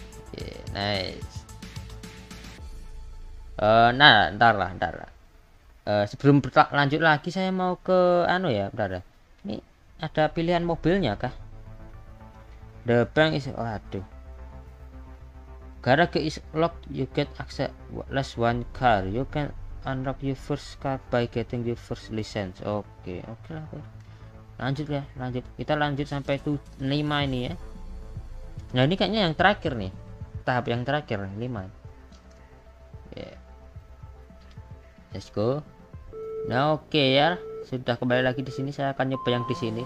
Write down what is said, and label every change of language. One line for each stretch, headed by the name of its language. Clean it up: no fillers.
English: Oke, nice.
Indonesian: Ntar lah. Sebelum lanjut lagi, saya mau ke anu ya, berada. Ini ada pilihan mobilnya kah?
English: The bank is, aduh. Garage is locked, you get access less one car. You can unlock your first car by getting your first license.
Indonesian: Oke. Lanjut. Kita lanjut sampai 5 ini ya. Nah, ini kayaknya yang terakhir nih. Tahap yang terakhir, 5.
English: Let's go.
Indonesian: Nah oke ya, sudah kembali lagi di sini. Saya akan nyoba yang di sini.